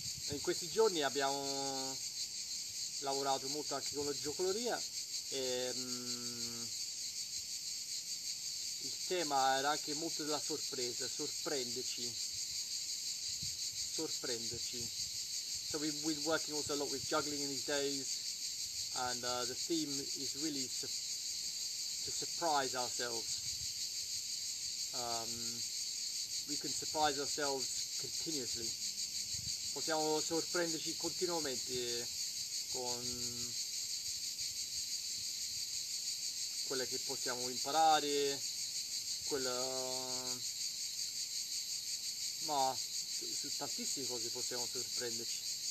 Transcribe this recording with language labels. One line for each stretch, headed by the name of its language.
Italian: In questi giorni abbiamo lavorato molto anche con la giocoleria e il tema era anche molto della sorpresa, sorprenderci.
English: So we've been working also a lot with juggling in these days and the theme is really to surprise ourselves. We can surprise ourselves continuously.
Italian: Possiamo sorprenderci continuamente con quello che possiamo imparare, quello, ma su tantissime cose possiamo sorprenderci.